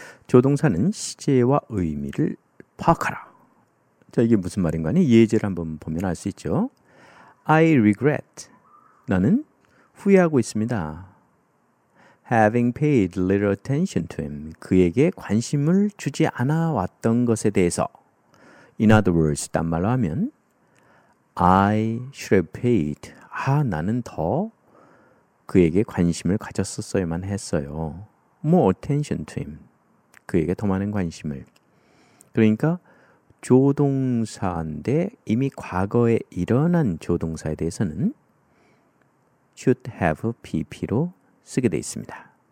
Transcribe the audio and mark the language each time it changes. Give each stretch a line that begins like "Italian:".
Korean: 조동사는 시제와 의미를 파악하라. 자, 이게 무슨 말인가니? 예제를 한번 보면 알 수 있죠.
English: I regret.
Korean: 나는 후회하고 있습니다.
English: Having paid little attention to him.
Korean: 그에게 관심을 주지 않아 왔던 것에 대해서.
English: In other words,
Korean: 딴 말로 하면
English: I should have paid.
Korean: 아, 나는 더 그에게 관심을 가졌었어야만 했어요.
English: More attention to him.
Korean: 그에게 더 많은 관심을.
English: 그러니까 조동사인데 이미 과거에 일어난 조동사에 대해서는 should have PP 로 쓰게 되어 있습니다.